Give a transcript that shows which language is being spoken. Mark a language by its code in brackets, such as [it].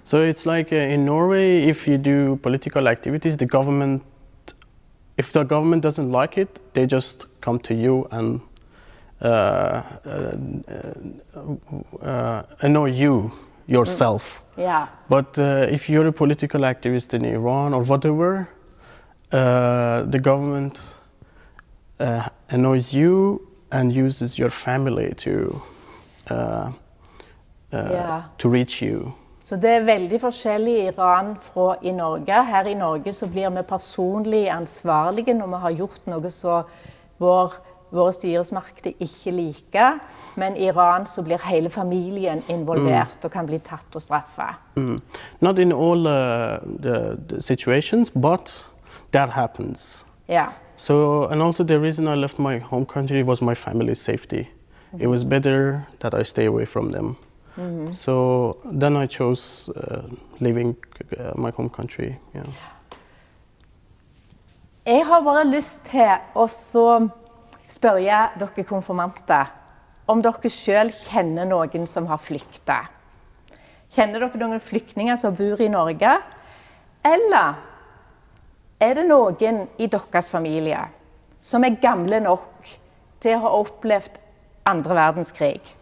[en] So it's like in Norway, if you do political activities, the government, if the government doesn't like it, they just come to you and annoy you yourself. Mm. Yeah. But if you're a political activist in Iran or whatever, the government annoys you and uses your family to. To reach you. [no] Så det veldig forskjellig I Iran fra I Norge. Her I Norge så blir vi personlig ansvarlige når vi har gjort noe så vår styresmakt ikke liker. Men I Iran så blir hele familien involvert og kan bli tatt og straffet. Mm. [en] Not in all the situations, but that happens. Yeah. So, and also the reason I left my home country was my family's safety. Mm-hmm. It was better that I stay away from them. Mm-hmm. So then I chose leaving my home country. Yeah. [no] Jeg har bare lyst til å spørre dere konfirmante om dere selv kjenner noen som har flyktet. Kjenner dere noen flyktninger som bor I Norge? Eller det noen I deres familie som gamle nok til å ha opplevd andre verdenskrig?